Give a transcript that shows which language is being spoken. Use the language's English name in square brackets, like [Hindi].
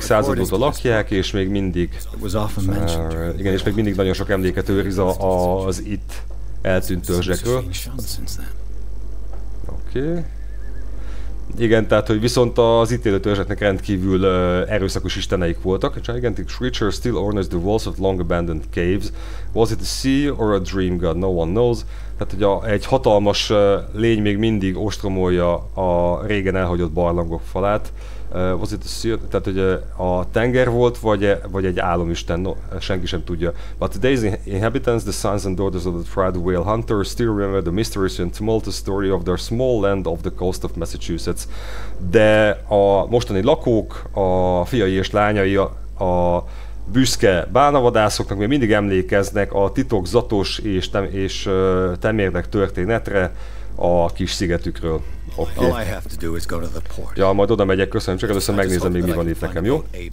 [Hungarian] század óta lakják, és még mindig. Igen, és még mindig nagyon sok emléket őriz az itt eltűnt törzsekről. Oké. Igen, tehát hogy viszont az itt élő törzseknek rendkívül erőszakos isteneik voltak. [English] A gigantic creature still honors the walls of long abandoned caves. Was it a sea or a dream god? No one knows. [Hungarian] Tehát hogy egy hatalmas lény még mindig ostromolja a régen elhagyott barlangok falát. [English] Was it a sea? [Hungarian] Tehát hogy a tenger volt, vagy egy álomisten? No, senki sem tudja. [English] But today's inhabitants, the sons and daughters of the fried whale hunters, still remember the mysterious and tumultuous story of their small land off the coast of Massachusetts. [Hungarian] De a mostani lakók, a fiai és lányai, a büszke bálnavadászoknak még mindig emlékeznek a titokzatos és temérdek történetre a kis szigetükről. Oké. Okay. Ja, majd oda megyek, köszönöm, csak először megnézem még, mi van itt nekem, jó?